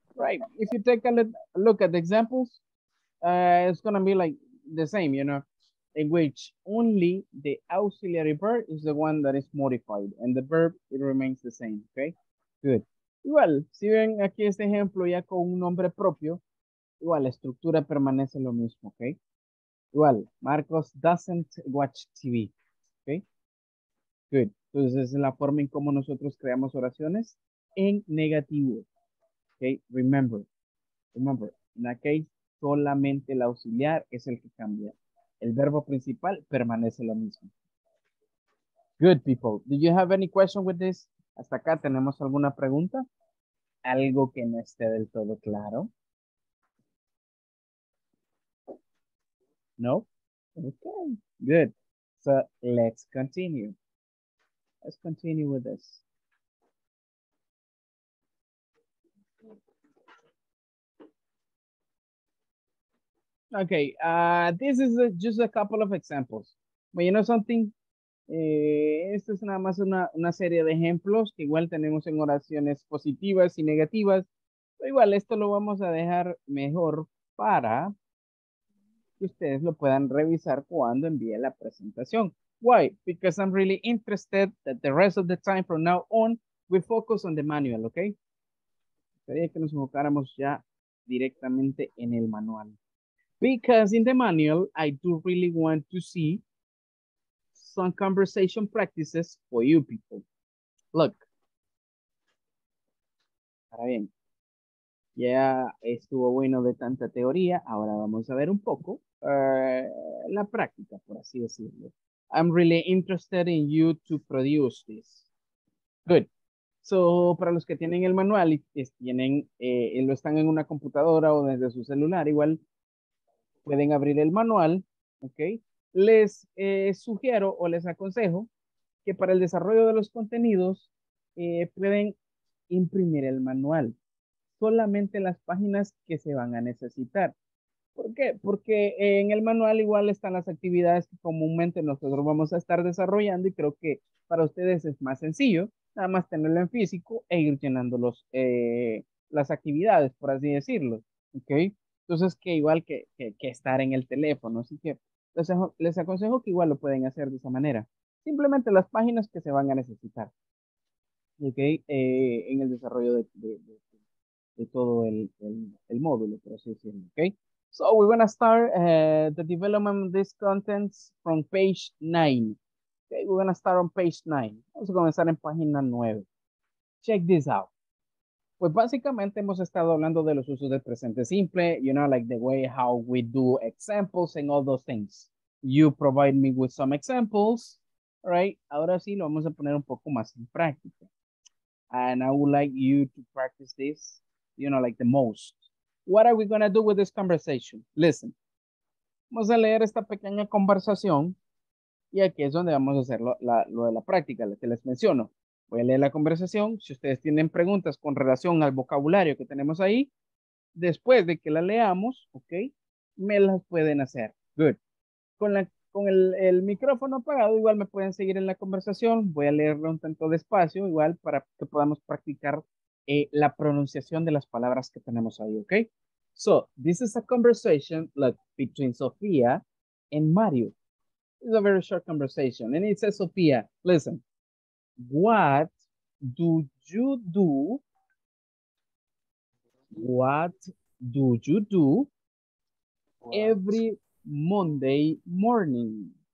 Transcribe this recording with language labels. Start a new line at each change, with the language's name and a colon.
English: Right, if you take a look at the examples, it's gonna be like the same, you know, in which only the auxiliary verb is the one that is modified and the verb, it remains the same, okay? Good.
Spanish: Igual, si ven aquí este ejemplo ya con un nombre propio, igual la estructura permanece lo mismo, okay?
English: Igual, Marcos doesn't watch TV. Good.
Spanish: Entonces, esa es la forma en cómo nosotros creamos oraciones en negativo.
English: Okay. Remember, in that case,
Spanish: solamente el auxiliar es el que cambia. El verbo principal permanece lo mismo.
English: Good, people. Do you have any question with this?
Spanish: Hasta acá, ¿tenemos alguna pregunta? ¿Algo que no esté del todo claro?
English: No? Okay. Good. So, let's continue. Let's continue with this. Okay, this is just a couple of examples. But you know something?
Spanish: Esto es nada más una serie de ejemplos que igual tenemos en oraciones positivas y negativas. Pero igual esto lo vamos a dejar mejor para que ustedes lo puedan revisar cuando envíe la presentación.
English: Why? Because I'm really interested that the rest of the time from now on, we focus on the manual, okay?
Spanish: Quería que nos enfocáramos ya directamente en el manual.
English: Because in the manual, I do really want to see some conversation practices for you people. Look.
Spanish: Ahora bien. Ya estuvo bueno de tanta teoría. Ahora vamos a ver un poco la práctica, por así decirlo.
English: I'm really interested in you to produce this. Good.
Spanish: So, para los que tienen el manual y tienen, lo están en una computadora o desde su celular, igual pueden abrir el manual, ¿ok? Les sugiero o les aconsejo que para el desarrollo de los contenidos pueden imprimir el manual. Solamente las páginas que se van a necesitar. ¿Por qué? Porque en el manual igual están las actividades que comúnmente nosotros vamos a estar desarrollando y creo que para ustedes es más sencillo nada más tenerlo en físico e ir llenando las actividades, por así decirlo. ¿Okay? Entonces, que igual que estar en el teléfono. Así que les aconsejo que igual lo pueden hacer de esa manera. Simplemente las páginas que se van a necesitar. ¿Okay? En el desarrollo de todo el módulo, por así decirlo. ¿Okay?
English: So we're going to start the development of these contents from page 9. Okay, we're going to start on page 9.
Spanish: Vamos a comenzar en página 9.
English: Check this out.
Spanish: Pues básicamente hemos estado hablando de los usos del presente simple,
English: you know, like the way how we do examples and all those things. You provide me with some examples, right?
Spanish: Ahora sí lo vamos a poner un poco más en práctica.
English: And I would like you to practice this, you know, like the most. What are we going to do with this conversation?
Spanish: Listen. Vamos a leer esta pequeña conversación. Y aquí es donde vamos a hacer lo de la práctica, lo que les menciono. Voy a leer la conversación. Si ustedes tienen preguntas con relación al vocabulario que tenemos ahí, después de que la leamos, ¿ok? Me las pueden hacer. Good. Con el micrófono apagado, igual me pueden seguir en la conversación. Voy a leerlo un tanto despacio, igual para que podamos practicar la pronunciación de las palabras que tenemos ahí, ¿ok?
English: So, this is a conversation like, between Sofía and Mario. It's a very short conversation. And it says, Sofía, listen. What do you do? What do you do every Monday morning?